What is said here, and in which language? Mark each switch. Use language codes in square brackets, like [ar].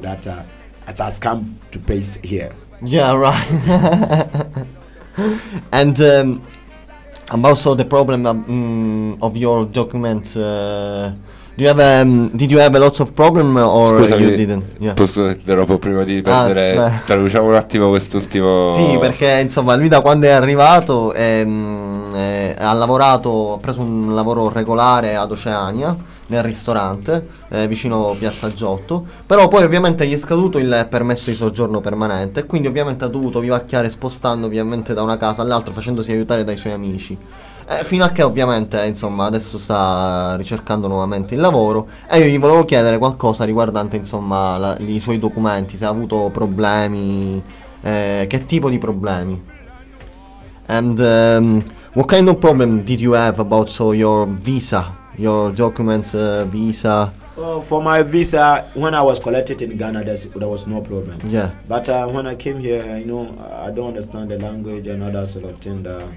[en] That it has come to paste here. Yeah. Right. And. Also the problem of your document. Do you have did you have a lot of problem or [it] scusami, [en] you didn't? Yeah. [it] Scusami, interrompo prima di prendere. Traduciamo un attimo quest'ultimo. Sì, perché insomma lui da quando è arrivato ha lavorato, ha preso un lavoro regolare ad Oceania nel ristorante vicino Piazza Giotto, però poi ovviamente gli è scaduto il permesso di soggiorno permanente, quindi ovviamente ha dovuto vivacchiare spostando ovviamente da una casa all'altra, facendosi aiutare dai suoi amici. Fino a che ovviamente insomma adesso sta ricercando nuovamente il lavoro. E io gli volevo chiedere qualcosa riguardante insomma i suoi documenti, se ha avuto problemi, che tipo di problemi. [en] And what kind of problem did you have about your visa, your documents, visa? For my visa, when I was collected in Ghana, there was no problem. Yeah. But when I came here, you know, I don't understand the language and other sort of thing.